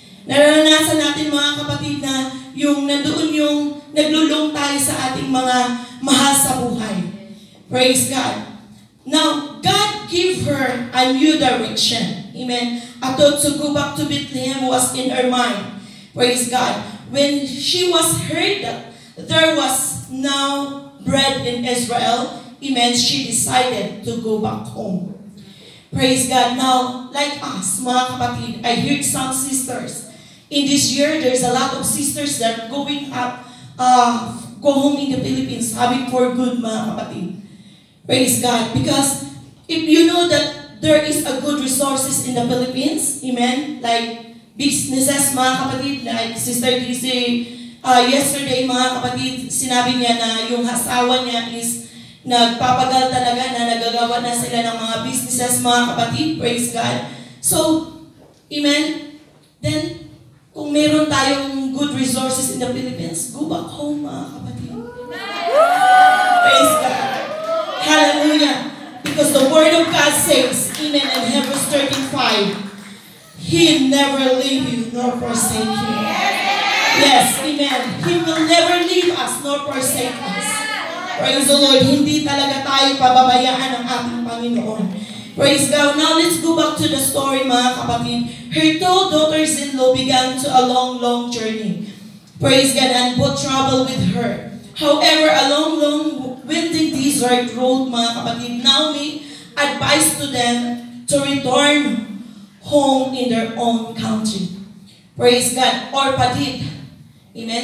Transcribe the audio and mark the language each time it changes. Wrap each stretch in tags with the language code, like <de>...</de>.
<tl>Nararanasan natin, mga kapatid, na yung nandoon yung naglulong tayo sa ating mga mahal sa buhay.</tl> <en>Praise God. Now, God give her a new direction. Amen. A thought to go back to Bethlehem was in her mind. Praise God. When she was heard that there was now bread in Israel, amen, she decided to go back home. Praise God. Now, like us,</en> <tl>mga kapatid,</tl> <en>I heard some sisters. In this year, there's a lot of sisters that are going up, go home in the Philippines, having for good,</en> <tl>mga kapatid.</tl> <en>Praise God. Because if you know that there is a good resources in the Philippines. Amen. Like businesses,</en> <tl>mga kapatid, like Sister DC,</tl> <en>yesterday,</en> <tl>mga kapatid, sinabi niya na yung asawa niya is nagpapagal talaga na nagagawa na sila ng mga businesses, mga kapatid.</tl> <en>Praise God. So, amen. Then,</en> <tl>kung meron tayong</tl> <en>good resources in the Philippines, go back home,</en> <tl>mga kapatid.</tl> <en>Praise God. Hallelujah. Because the Word of God says, amen, in Hebrews 13:5, He never leave you nor forsake you. Yes, amen. He will never leave us nor forsake us. Praise the Lord.</en> <tl>Hindi talaga tayo pababayaan ang ating Panginoon.</tl> <en>Praise God. Now let's go back to the story,</en> <tl>mga kapatid.</tl> <en>Her two daughters-in-law began to a long, long journey. Praise God, and brought trouble with her. However, a long, long, winding desert road,</en> <tl>mga kapatid,</tl> <en>now me advised to them to return home in their own country. Praise God. Or patid. Amen.</en>